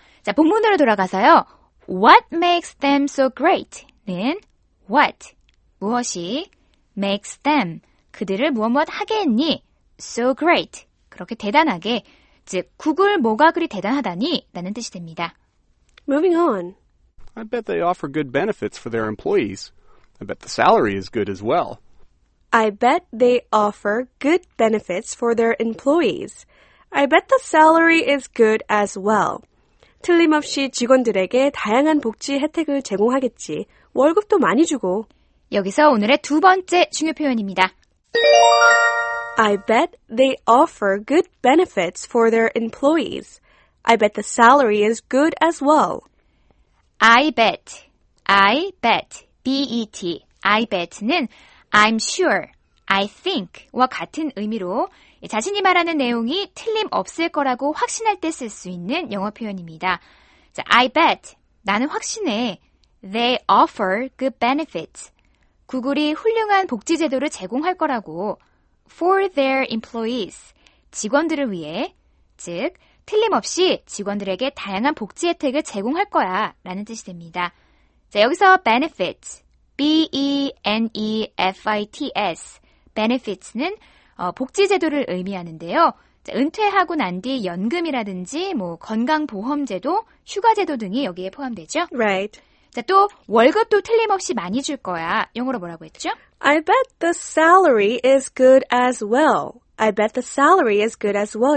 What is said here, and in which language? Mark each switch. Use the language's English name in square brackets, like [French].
[Korean] 자, 본문으로 돌아가서요. [English] What makes them so great? 는 what? [Korean] 무엇이 [English] makes them? [Korean] 그들을 무엇무엇 하게 했니? [English] So great. [Korean] 그렇게 대단하게. 즉, 구글 뭐가 그리 대단하다니? 라는 뜻이 됩니다. [English] Moving on. I bet they offer good benefits for their employees. I bet the salary is good as well. I bet they offer good benefits for their employees. I bet the salary is good as well. [Korean] 틀림없이 직원들에게 다양한 복지 혜택을 제공하겠지. 월급도 많이 주고. 여기서 오늘의 두 번째 중요 표현입니다. [English] I bet they offer good benefits for their employees. I bet the salary is good as well. I bet. I bet [Korean] 는 [English] I'm sure, I think [Korean] 와 같은 의미로 자신이 말하는 내용이 틀림없을 거라고 확신할 때 쓸 수 있는 영어 표현입니다. [English] 자, I bet, [Korean] 나는 확신해. [English] They offer good benefits. [Korean] 구글이 훌륭한 복지 제도를 제공할 거라고 [English] for their employees, [Korean] 직원들을 위해, 즉, 틀림없이 직원들에게 다양한 복지 혜택을 제공할 거야 라는 뜻이 됩니다. 자, 여기서 benefits, B-E-N-E-F-I-T-S, benefits는 복지 제도를 의미하는데요. 자, 은퇴하고 난 뒤 연금이라든지 뭐 건강보험 제도, 휴가 제도 등이 여기에 포함되죠. [English] Right. [Korean] 자, 또 월급도 틀림없이 많이 줄 거야. 영어로 뭐라고 했죠? [English] I bet the salary is good as well. I bet the salary is good as well.